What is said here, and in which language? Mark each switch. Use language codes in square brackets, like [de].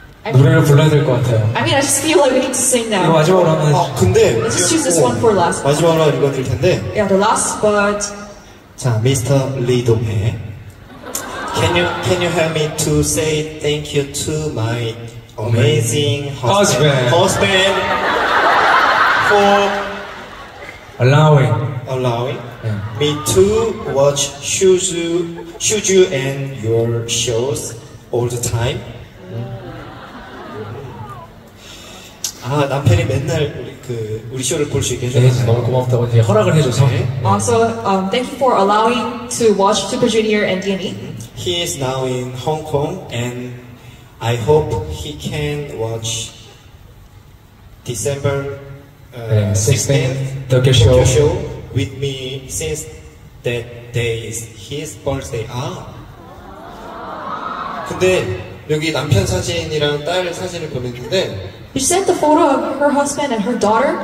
[ko] 노래를 불러야 될 것 같아요. [en] I mean, I just feel like we need to sing now. [ko] 이거 마지막으로 하면 아, 근데 [en] Let's just choose this one for last. [ko] 마지막으로 이거 드릴 텐데 [en] Yeah, the last, but [ko] 자, Mr. Lee Dong-hae. [en] Can you help me to say thank you to my amazing husband for allowing me to watch Shuju and your shows all the time? [ko] 아 남편이 맨날 우리 쇼를 볼 수 있게 해줘서 너무 고맙다고 이제 허락을 해줘서. [en] Also, thank you for allowing to watch Super Junior and D&E. He is now in Hong Kong, and I hope he can watch December 6th Tokyo Show. Show with me since that day is his birthday. [ko] 아. 근데 여기 남편 사진이랑 딸 사진을 보냈는데. [en] You sent the photo of her husband and her daughter?